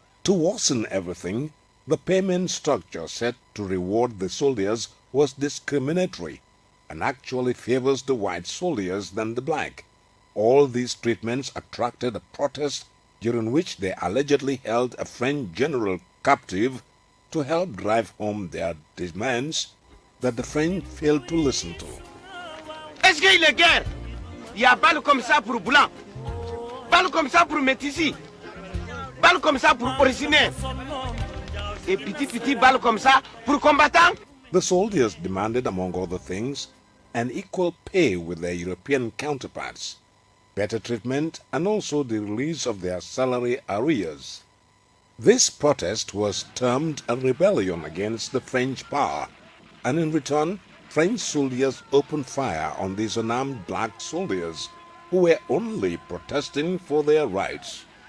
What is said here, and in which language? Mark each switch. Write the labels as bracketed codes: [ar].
[en] To worsen everything, the payment structure set to reward the soldiers was discriminatory and actually favors the white soldiers than the black. All these treatments attracted a protest during which they allegedly held a French general captive to help drive home their demands that the French failed to listen to. [fr] Est-ce qu'il y a guerre? Il y a balle comme ça pour blanc, balle comme ça pour métis, balle comme ça pour originaire, et petit petit balle comme ça pour combattant. [en] The soldiers demanded, among other things, an equal pay with their European counterparts, better treatment, and also the release of their salary arrears. This protest was termed a rebellion against the French power, and in return, French soldiers opened fire on these unarmed black soldiers who were only protesting for their rights.